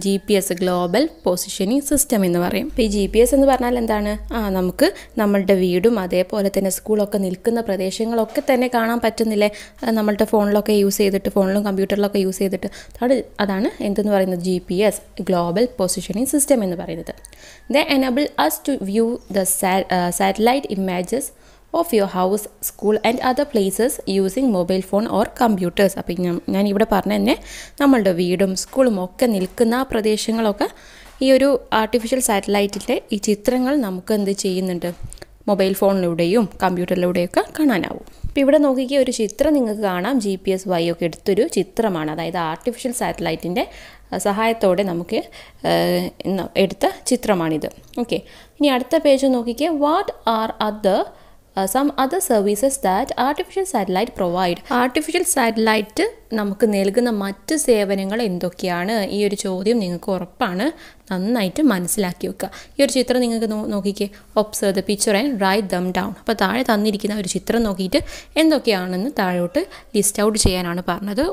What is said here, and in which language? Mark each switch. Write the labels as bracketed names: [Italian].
[Malayalam] GPS, global positioning system എന്ന് പറയും. അപ്പോൾ ഈ GPS എന്ന് പറഞ്ഞാൽ എന്താണ്? ആ നമുക്ക് നമ്മളുടെ വീടും അതേപോലെ തന്നെ സ്കൂളൊക്കെ നിൽക്കുന്ന പ്രദേശങ്ങളൊക്കെ തന്നെ കാണാൻ പറ്റുന്നില്ലേ, നമ്മളുടെ ഫോണിലൊക്കെ യൂസ് ചെയ്തിട്ട്, ഫോണിലും കമ്പ്യൂട്ടറിലൊക്കെ യൂസ് ചെയ്തിട്ട്. അതാണ് എന്തെന്ന് പറയുന്നത്? GPS, ഗ്ലോബൽ പൊസിഷനിങ് സിസ്റ്റം എന്ന് പറയുന്നത്. [English] They enable us to view the satellite images of your house, school and other places using mobile phone or computers. [Malayalam] അപ്പോൾ ഞാൻ ഇവിടെ പറഞ്ഞ തന്നെ നമ്മളുടെ വീടും സ്കൂളും ഒക്കെ നിൽക്കുന്ന പ്രദേശങ്ങളൊക്കെ ഈ ഒരു ആർട്ടിഫിഷ്യൽ സാറ്റലൈറ്റിൻ്റെ ഈ ചിത്രങ്ങൾ നമുക്ക് എന്ത് ചെയ്യുന്നുണ്ട്? മൊബൈൽ ഫോണിലൂടെയും കമ്പ്യൂട്ടറിലൂടെയൊക്കെ കാണാനാവും. അപ്പോൾ ഇവിടെ നോക്കിക്കിയ ഒരു ചിത്രം നിങ്ങൾക്ക് കാണാം. GPS ഒക്കെ എടുത്തൊരു ചിത്രമാണ്, അതായത് ആർട്ടിഫിഷ്യൽ സാറ്റലൈറ്റിൻ്റെ സഹായത്തോടെ നമുക്ക് എടുത്ത ചിത്രമാണിത്. ഓക്കെ, ഇനി അടുത്ത പേജ് നോക്കിക്കേ. [English] What are other other services that artificial satellite provide? [Malayalam] Artificial satellite നമുക്ക് നൽകുന്ന മറ്റ് സേവനങ്ങൾ എന്തൊക്കെയാണ്? ഈ ഒരു ചോദ്യം നിങ്ങൾക്ക് ഉറപ്പാണ്, നന്നായിട്ട് മനസ്സിലാക്കി വെക്കുക. ഈ ഒരു ചിത്രം നിങ്ങൾക്ക് നോക്കിക്കേ. [English] Observe the picture and write them down. [Malayalam] അപ്പോൾ താഴെ തന്നിരിക്കുന്ന ഒരു ചിത്രം നോക്കിയിട്ട് എന്തൊക്കെയാണെന്ന് താഴോട്ട് ലിസ്റ്റ് ഔട്ട് ചെയ്യാനാണ് പറഞ്ഞത്.